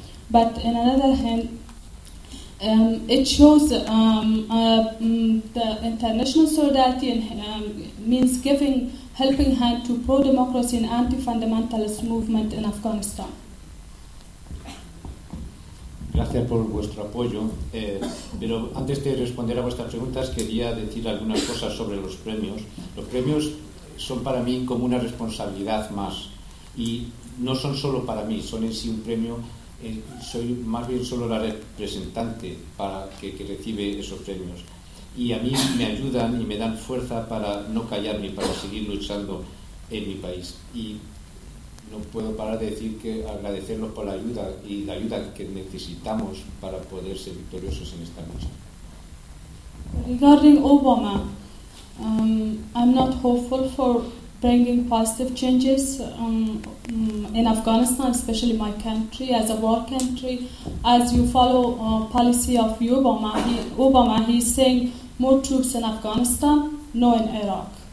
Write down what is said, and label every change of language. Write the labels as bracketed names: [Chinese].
[English] But in another hand, it shows the international solidarity and means giving helping hand to pro-democracy and anti-fundamentalist movement in Afghanistan. [Spanish] Gracias por vuestro apoyo, pero antes de responder a vuestras preguntas quería decir algunas cosas sobre los premios. Los premios son para mí como una responsabilidad más y no son solo para mí, son en sí un premio, soy más bien solo la representante para que recibe esos premios. Y a mí me ayudan y me dan fuerza para no callarme y para seguir luchando en mi país. Y no puedo parar de decir que agradecerlos por la ayuda y la ayuda que necesitamos para poder ser victoriosos en esta lucha. [English] Regarding Obama, I'm not hopeful for bringing positive changes in Afghanistan, especially my country as a war country. As you follow policy of Obama, he's saying more troops in Afghanistan, no in Iraq.